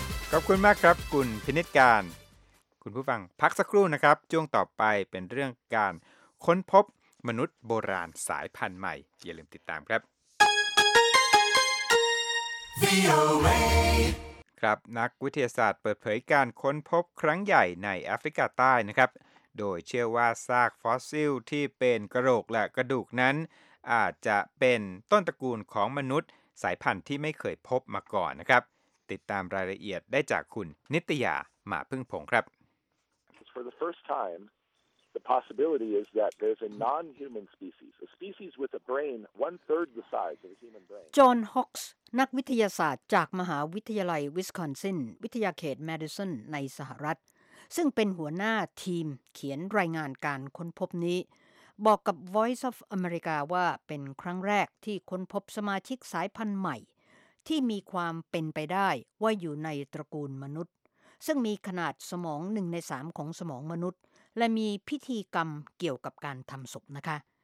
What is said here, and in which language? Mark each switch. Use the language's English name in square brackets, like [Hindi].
[Thai] ขอบคุณมากครับคุณพินิจการคุณผู้ฟังพักสักครู่นะครับช่วงต่อไปเป็นเรื่องการค้นพบมนุษย์โบราณสายพันธุ์ใหม่อย่าลืมติดตามครับครับนักวิทยาศาสตร์เปิดเผยการค้นพบครั้งใหญ่ในแอฟริกาใต้นะครับโดยเชื่อว่าซากฟอสซิลที่เป็นกระโหลกและกระดูกนั้นอาจจะเป็นต้นตระกูลของมนุษย์ สายพันธุ์ที่ไม่เคยพบมาก่อนนะครับติดตามรายละเอียดได้จากคุณนิตยาหมาพึ่งผงครับ [English] For the first time the possibility is that there's a non-human species a species with a brain one third the size of a human brain [Thai] John Hawks นักวิทยาศาสตร์จากมหาวิทยาลัยวิสคอนซินวิทยาเขตแมดิสันในสหรัฐซึ่งเป็นหัวหน้าทีมเขียนรายงานการค้นพบนี้บอกกับ Voice of America ว่าเป็นครั้งแรกที่ค้นพบสมาชิกสายพันธุ์ใหม่ที่มีความเป็นไปได้ว่าอยู่ในตระกูลมนุษย์ซึ่งมีขนาดสมอง1ใน3ของสมองมนุษย์และมีพิธีกรรมเกี่ยวกับการทำศพนะคะ